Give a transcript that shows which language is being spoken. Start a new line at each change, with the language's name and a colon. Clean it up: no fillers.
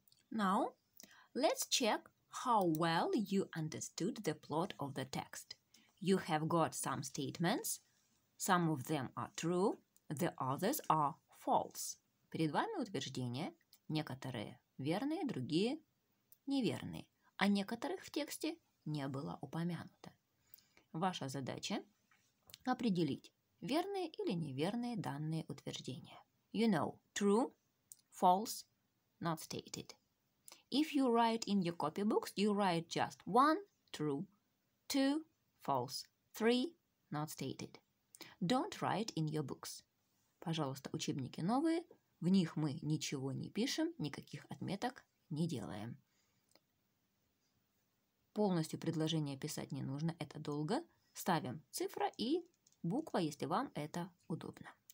English: Now, let's check how well you understood the plot of the text. You have got some statements. Some of them are true, the others are false.
Russian: Перед вами утверждения. Некоторые верные, другие неверные. О некоторых в тексте не было упомянуто. Ваша задача – определить, верные или неверные данные утверждения.
English: You know, true, false, not stated. If you write in your copybooks, you write just one, true, two, false, three, not stated. Don't write in your books.
Russian: Пожалуйста, учебники новые. В них мы ничего не пишем, никаких отметок не делаем. Полностью предложение писать не нужно, это долго. Ставим цифра и буква, если вам это удобно.